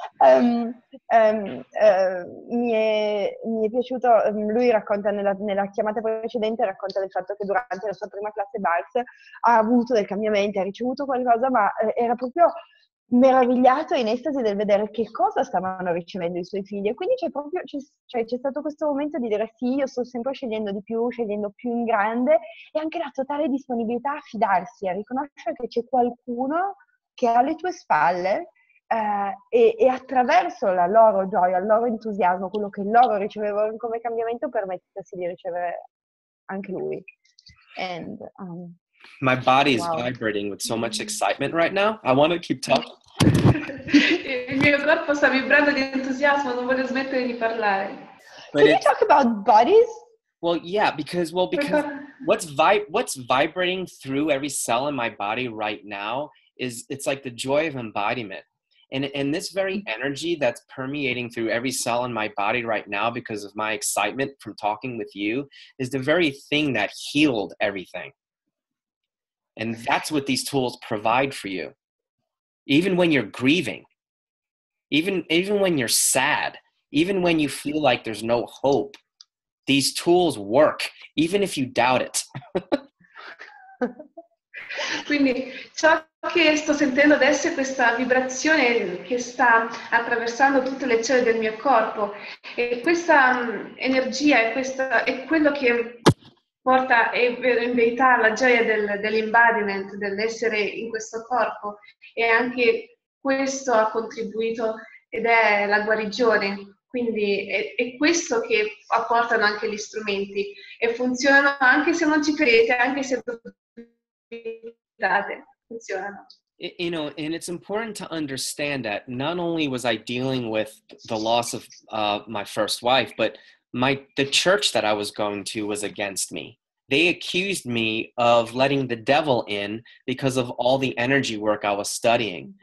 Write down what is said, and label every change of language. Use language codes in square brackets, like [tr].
[it] Mi è piaciuto, lui racconta nella chiamata precedente, racconta del fatto che durante la sua prima classe Bars ha avuto del cambiamento, ha ricevuto qualcosa, ma era proprio meravigliato in estasi del vedere che cosa stavano ricevendo i suoi figli. E quindi c'è stato questo momento di dire sì, io sto sempre scegliendo più in grande, e anche la totale disponibilità a fidarsi, a riconoscere che c'è qualcuno che ha le tue spalle. E attraverso la loro gioia, il loro entusiasmo, quello che loro ricevevano come cambiamento, permettersi di ricevere anche lui. [en] And my body is vibrating with so much excitement right now. I want to keep talking. [it] Il mio corpo sta vibrando di entusiasmo, non voglio smettere di parlare. [en] But can you talk about bodies? Well, yeah, because what's vibrating through every cell in my body right now is it's like the joy of embodiment. And this very energy that's permeating through every cell in my body right now because of my excitement from talking with you is the very thing that healed everything. And that's what these tools provide for you. Even when you're grieving, even when you're sad, even when you feel like there's no hope, these tools work, even if you doubt it. [it] Quindi ciò che sto sentendo adesso è questa vibrazione che sta attraversando tutte le cellule del mio corpo, e questa energia è quello che porta in verità la gioia dell'embodiment, dell'essere in questo corpo, e anche questo ha contribuito ed è la guarigione. Quindi è questo che apportano anche gli strumenti e funzionano anche se non ci credete, anche se dubitate, funzionano. [en] You know, and it's important to understand that not only was I dealing with the loss of my first wife, but the church that I was going to was against me. They accused me of letting the devil in because of all the energy work I was studying.